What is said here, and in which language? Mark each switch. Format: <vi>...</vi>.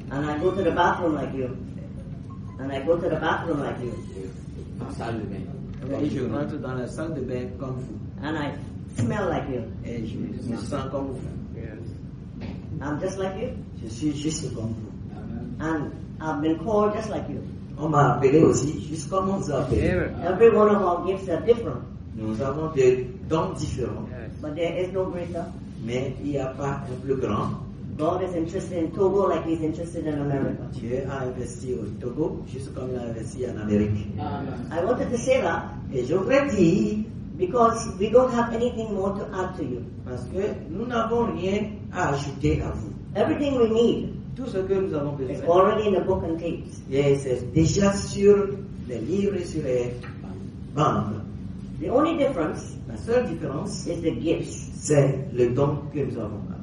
<en>And I go to the bathroom like you. And I go to the bathroom like you.</en> <fr>En salle de bain. Et je rentre dans la salle de bain comme vous.</fr> <en>And I smell like you.</en> <fr>Et je me sens comme vous.</fr> <en>I'm just like you.</en> <fr>Je suis juste comme vous.</fr> <en>And I've been called just like you.</en> <fr>On m'a appelé aussi, juste comme on s'est appelé.</fr> <en>Every one of our gifts are different.</en> <fr>Nous avons des dons différents.</fr> <en>Yes. But there is no greater.</en> <fr>Mais il n'y a pas un plus grand.</fr> <en>God is interested in Togo like he's interested in America.</en> <fr>Dieu a investi au Togo, juste comme il a investi en Amérique.</fr> <en>Amen. I wanted to say that.</en> <fr>Et je voudrais dire.</fr> <en>Because we don't have anything more to add to you.</en> <fr>Parce que nous n'avons rien à ajouter à vous.</fr> <en>Everything we need.</en> <fr>Tout ce que nous avons besoin.</fr> <en>It's already in the book and tapes.</en> <fr>Yes, c'est déjà sur les livres et sur les bandes.</fr> <en>The only difference.</en> <fr>La seule différence.</fr> <en>Is the gifts.</en> <fr>C'est le don que nous avons.</fr>